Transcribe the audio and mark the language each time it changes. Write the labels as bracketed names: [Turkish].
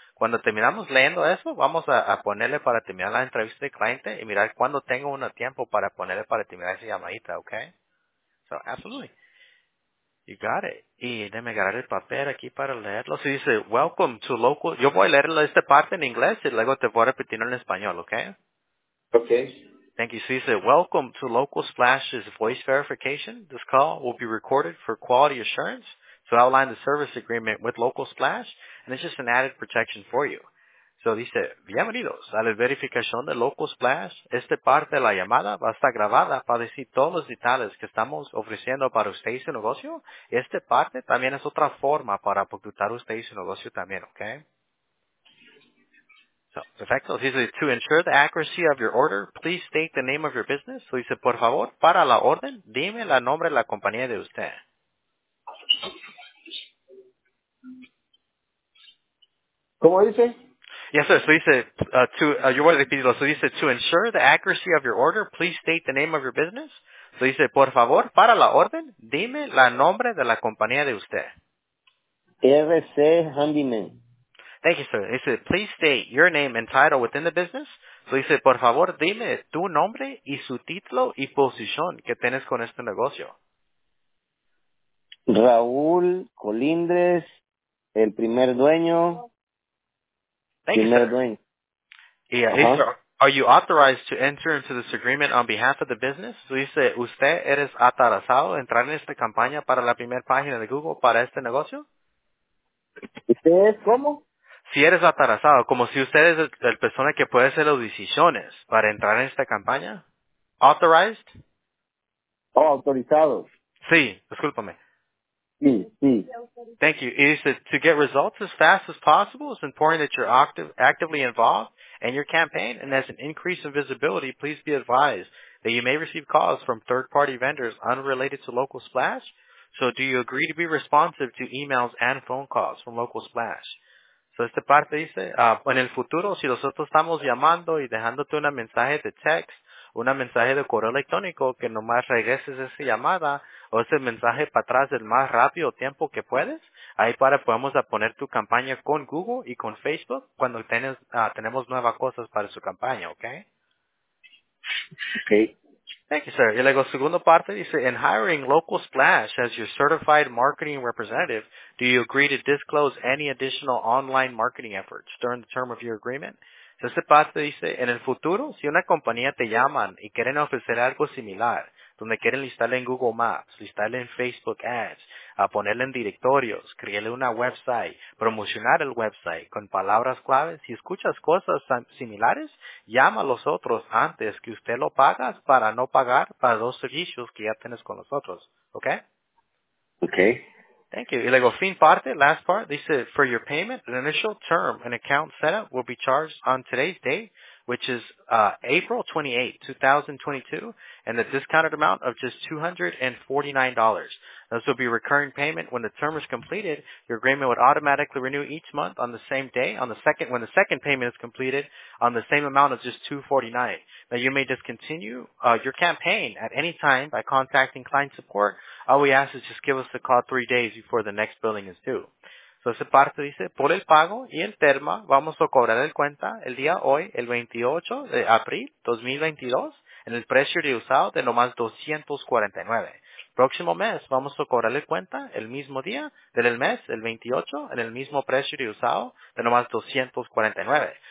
[Spanish] Cuando terminamos leyendo eso, vamos a ponerle para terminar la entrevista de cliente y mirar cuándo tengo un tiempo para ponerle para terminar esa llamadita, ¿ok? [English] So, absolutely. You got it. [Spanish] Y déjame agarrar el papel aquí para leerlo. Si dice, [English] welcome to local. [Spanish] Yo voy a leer esta parte en inglés y luego te voy a repetirlo en español, ¿ok? Ok. [English] Thank you. So you say, welcome to Local Splash's voice verification. This call will be recorded for quality assurance. So outline the service agreement with Local Splash, and it's just an added protection for you. [Spanish] So dice, bienvenidos a la verificación de Local Splash. Esta parte de la llamada va a estar grabada para decir todos los detalles que estamos ofreciendo para usted y su negocio. Esta parte también es otra forma para apuntar usted y su negocio también, ¿ok? So, perfecto. [English] Dice, to ensure the accuracy of your order, please state the name of your business. [Spanish] So dice, por favor, para la orden, dime el nombre de la compañía de usted. ¿Cómo dice? [English] Yes, sir. So dice, you want to repeat it. So dice, to ensure the accuracy of your order, please state the name of your business. [Spanish] So dice, por favor, para la orden, dime la nombre de la compañía de usted. RC Handyman. [English] Thank you, sir. He said, please state your name and title within the business. [Spanish] So dice, por favor, dime tu nombre y su título y posición que tienes con este negocio. Raúl Colindres, el primer dueño. [English] Thank you, sir. Yeah, uh-huh. Are you authorized to enter into this agreement on behalf of the business? [Spanish] So dice, ¿usted eres autorizado entrar en esta campaña para la primera página de Google para este negocio? ¿Usted es cómo? Si eres autorizado, como si usted es el persona que puede hacer las decisiones para entrar en esta campaña. [English] ¿Authorized? [Spanish] Oh, autorizado. Sí, discúlpame. Sí, sí. [English] Thank you. It is to get results as fast as possible. It's important that you're actively involved in your campaign. And as an increase in visibility, please be advised that you may receive calls from third-party vendors unrelated to Local Splash. So do you agree to be responsive to emails and phone calls from Local Splash? [Spanish] So esta parte dice, en el futuro, si nosotros estamos llamando y dejándote un mensaje de text, un mensaje de correo electrónico, que nomás regreses esa llamada o ese mensaje para atrás el más rápido tiempo que puedes, ahí para podemos poner tu campaña con Google y con Facebook cuando tenemos nuevas cosas para su campaña, ¿ok? Okay. [English] Thank you, sir. [Spanish] Y luego, segunda parte dice, [English] in hiring Local Splash as your certified marketing representative, do you agree to disclose any additional online marketing efforts during the term of your agreement? [Spanish] Esta parte dice, en el futuro, si una compañía te llaman y quieren ofrecer algo similar, donde quieren listarle en Google Maps, listarle en Facebook Ads, a ponerle en directorios, crearle una website, promocionar el website con palabras claves, si escuchas cosas similares, llama a los otros antes que usted lo pagas para no pagar para los servicios que ya tienes con nosotros, ¿ok? Ok. [English] Thank you. [Spanish] Y luego, fin parte, [English] last part, dice, for your payment, an initial term, an account setup will be charged on today's date, which is April 28, 2022, and the discounted amount of just $249. This will be recurring payment. When the term is completed, your agreement would automatically renew each month on the same day, when the second payment is completed, on the same amount of just $249. Now, you may discontinue your campaign at any time by contacting client support. All we ask is just give us a call 3 days before the next billing is due. [Spanish] So, esa parte dice, por el pago y el termo, vamos a cobrar el cuenta el día hoy, el 28 de abril 2022, en el precio de usado de nomás $249. Próximo mes, vamos a cobrar el cuenta el mismo día del mes, el 28, en el mismo precio de usado de nomás $249.